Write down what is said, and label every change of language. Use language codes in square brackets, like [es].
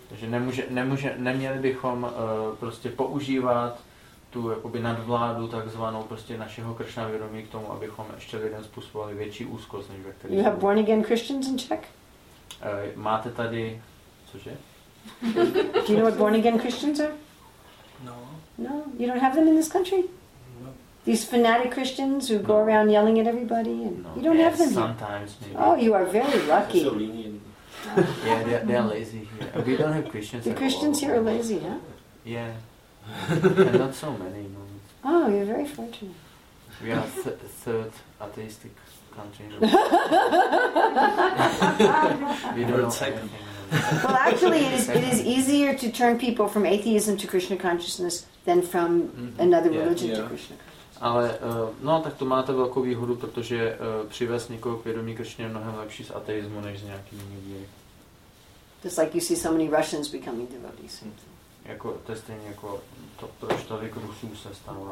[cs] Takže neměli bychom prostě používat tu jakoby nadvládu takzvanou prostě našeho Krishna vědomí k tomu, abychom ještě lidem způsobovali větší úzkost než ve kterých. [en] You have born again Christians in Czech? [cs] Máte tady, cože? [en] Do you know what born again Christians are? No. You don't have them in this country? No. These fanatic Christians who go around yelling at everybody and no, you don't have them sometimes here. Maybe. Oh, you are very lucky. So lenient. Yeah, they're lazy here. We don't have Christians. The Christians here are lazy, huh? Yeah. And not so many. No. Oh, you're very fortunate. We are third atheistic country. We don't know. Well, actually, it is easier to turn people from atheism to Krishna consciousness than from another religion to Krishna consciousness. [cs] Ale no, tak to máte velkou výhodu, protože přivést někoho k vědomí Krishna je mnohem lepší z ateismu než z nějaký jiný víry. [en] Just like you see so many Russians becoming devotees. [cs] Jako to je stejně jako to, proč tolik Rusů se stanou na